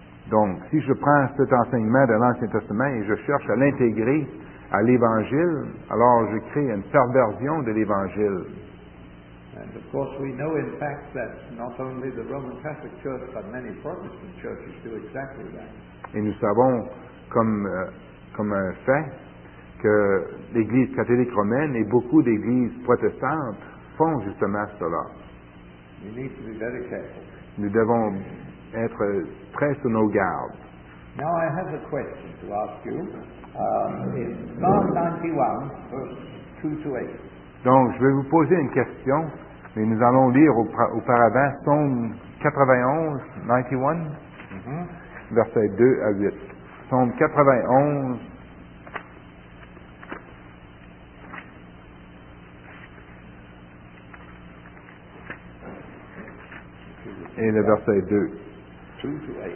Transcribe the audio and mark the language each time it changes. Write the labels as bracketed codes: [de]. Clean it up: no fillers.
[fr] Donc, si je prends cet enseignement de l'Ancien Testament et je cherche à l'intégrer à l'Évangile, alors je crée une perversion de l'Évangile. [en] And of course we know in fact that not only the Roman Catholic Church, but many Protestant churches do exactly that. [fr] Et nous savons comme un fait que l'Église catholique romaine et beaucoup d'Églises protestantes font justement cela. [en] We need to be very careful. [fr] Nous devons être très sur nos gardes. [en] Now I have a question to ask you. In Psalm 91, verse 2 to 8. [fr] Donc, je vais vous poser une question, mais nous allons lire auparavant Psaume 91, mm-hmm. versets 2 à 8. Psaume 91, et le verset 2.